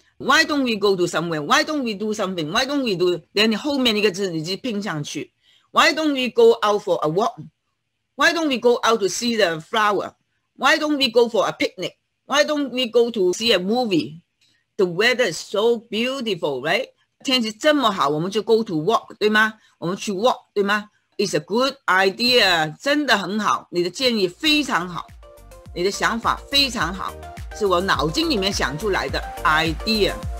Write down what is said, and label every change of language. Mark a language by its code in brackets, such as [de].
[en] Why don't we go to somewhere？Why don't we do something？Why don't we do？ [zh] 连你后面一个字，你就拼上去。 [en] Why don't we go out for a walk? Why don't we go out to see the flower? Why don't we go for a picnic? Why don't we go to see a movie? The weather is so beautiful, right? [zh] 天气这么好，我们就 [en] go to walk, [zh] 对吗？我们去 walk, 对吗？ [en] It's a good idea, [zh] 真的很好，你的建议非常好，你的想法非常好，是我脑筋里面想出来的 idea.